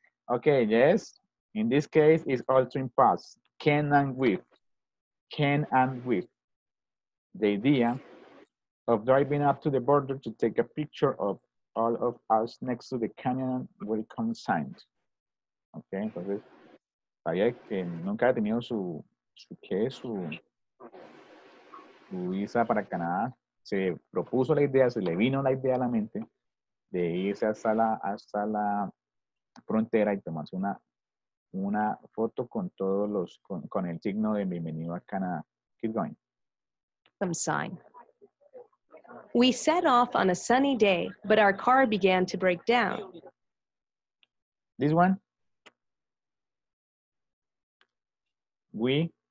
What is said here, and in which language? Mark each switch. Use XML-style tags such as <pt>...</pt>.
<en>Okay, yes. In this case, it's altering past. Can and with. Can and with. The idea of driving up to the border to take a picture of all of us next to the Canadian welcome sign.</en> <es>Okay, entonces. Sabía que nunca había tenido su, ¿qué? Su, su visa para Canadá, se propuso la idea, se le vino la idea a la mente de irse hasta la frontera y tomarse una foto con todos los, con el signo de bienvenido a Canadá.</es> <en>Keep going. Some sign. We set off on a sunny day, but our car began to break down. This one. We.</en>